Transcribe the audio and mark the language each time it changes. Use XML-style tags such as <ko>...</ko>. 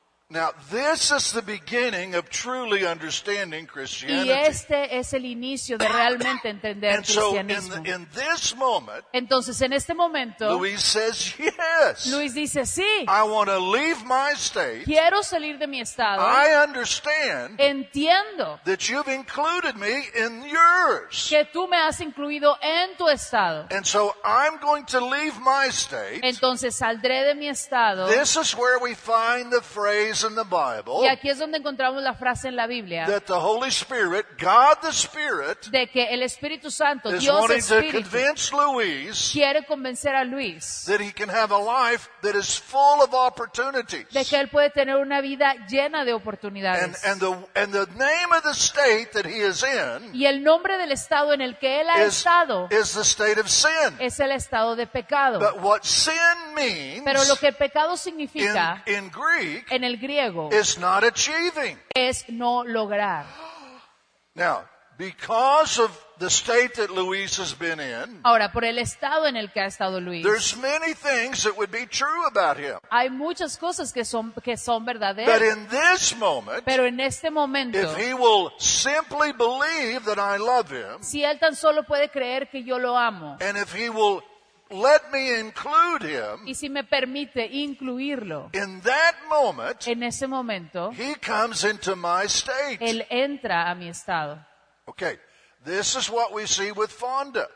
<en>Now, this is the beginning of truly understanding Christianity.</en> <es>Y este es el inicio de realmente entender</es> <en>and</en> <es>cristianismo.</es> <en>So in this moment,</en> <es>entonces, en este momento,</es> <en>Luis says, yes.</en> <es>Luis dice, sí.</es> <en>I want to leave my state.</en> <es>Quiero salir de mi estado.</es> <en>I understand.</en> <es>Entiendo.</es> <en>That you've included me in yours.</en> <es>Que tú me has incluido en tu estado.</es> <en>And so I'm going to leave my state.</en> <es>Entonces, saldré de mi estado.</es> <en>This is where we find the phrase. In the Bible,</en> <es>y aquí es donde encontramos la frase en la Biblia,</es> <en>that the Holy Spirit, God the Spirit,</en> <es>de que el Espíritu Santo,</es> <en>is</en> <es>Dios</es> <en>wanting</en> <es>Espíritu,</es> <en>to convince Luis,</en> <es>quiere convencer a Luis</es> <en>that he can have a life that is full of opportunities.</en> <es>De que él puede tener una vida llena de oportunidades.</es> <en>And the name of the state that he is in,</en> <es>y el nombre del estado en el que él ha estado,</es> <en>is the state of sin.</en> <es>Es el estado de pecado.</es> <en>But what sin means,</en> <es>pero lo que pecado significa,</es> <en>in Greek,</en> <es>en el griego,</es> <en>is not achieving.</en> <es>Es no lograr.</es> <en>Now, because of the state that Luis has been in,</en> <es>ahora, por el estado en el que ha estado Luis,</es> <en>there's many things that would be true about him.</en> <es>Hay muchas cosas que son verdaderas.</es> <en>But in this moment,</en> <es>pero en este momento,</es> <en>if he will simply believe that I love him,</en> <es>si él tan solo puede creer que yo lo amo,</es> <en>and if he will let me include him.</en> <es>Y si me permite incluirlo.</es> <en>In that moment,</en> <es>en ese momento,</es> <en>he comes into my state.</en> <es>Él entra a mi estado.</es> <en>Okay, this is what we see with Fonda.</en>